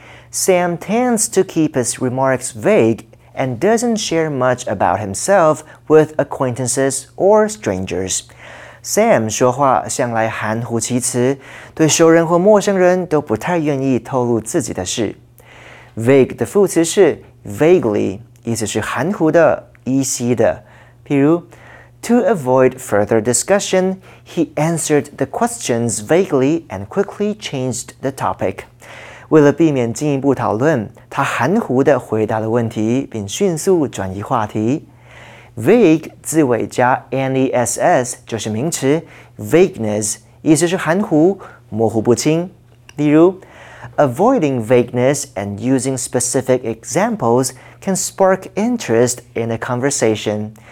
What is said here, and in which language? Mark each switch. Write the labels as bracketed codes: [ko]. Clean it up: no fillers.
[en] Sam tends to keep his remarks vague and doesn't share much about himself with acquaintances or strangers. [zh] Sam 说话向来含糊其辞，对熟人或陌生人都不太愿意透露自己的事。 Vague 的副词是 vaguely， 意思是含糊的、依稀的。譬如 [en] ，To avoid further discussion, he answered the questions vaguely and quickly changed the topic. [zh] 为了避免进一步讨论，他含糊地回答了问题，并迅速转移话题。 Vague 字尾加 ness 就是名词 ，vagueness 意思是含糊、模糊不清。例如 [en] ，avoiding vagueness and using specific examples can spark interest in a conversation。